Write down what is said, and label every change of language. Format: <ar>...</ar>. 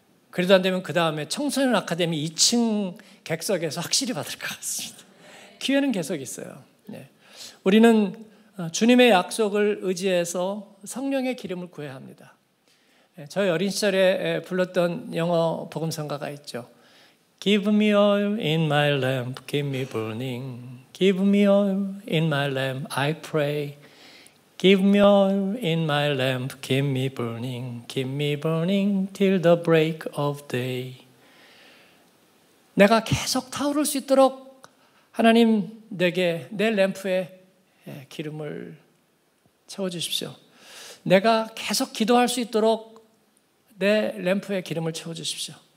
<ko>그래도 안 되면 그 다음에 청소년 아카데미 2층 객석에서 확실히 받을 것 같습니다. 기회는 계속 있어요. 우리는 주님의 약속을 의지해서 성령의 기름을 구해야 합니다. 저희 어린 시절에 불렀던 영어 복음성가가 있죠.</ko> <en>Give me oil in my lamp, keep me burning. Give me oil in my lamp, I pray. Give me oil in my lamp, keep me burning. Keep me burning till the break of day.</en> <ko>내가 계속 타오를 수 있도록 하나님 내게 내 램프에 기름을 채워주십시오. 내가 계속 기도할 수 있도록 내 램프에 기름을 채워주십시오.</ko>